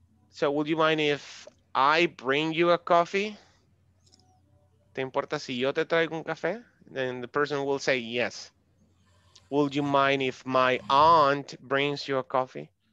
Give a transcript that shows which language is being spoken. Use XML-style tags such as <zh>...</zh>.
<en>So would you mind if I bring you a coffee?</en> <es>¿Te importa si yo te traigo un café?</es> <en>Then the person will say yes. Would you mind if my aunt brings you a coffee?</en>